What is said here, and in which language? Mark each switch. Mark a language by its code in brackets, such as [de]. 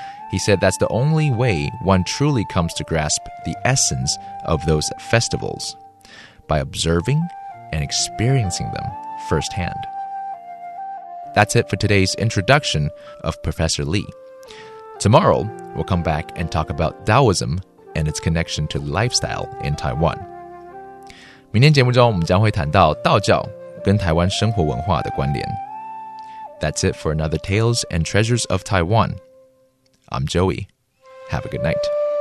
[en] He said that's the only way one truly comes to grasp the essence of those festivals, by observing and experiencing them firsthand. That's it for today's introduction of Professor Lee. Tomorrow, we'll come back and talk about Taoism and its connection to lifestyle in Taiwan. [zh] 明天节目中我们将会谈到道教跟台湾生活文化的关联。 [en] That's it for another Tales and Treasures of Taiwan. I'm Joey. Have a good night.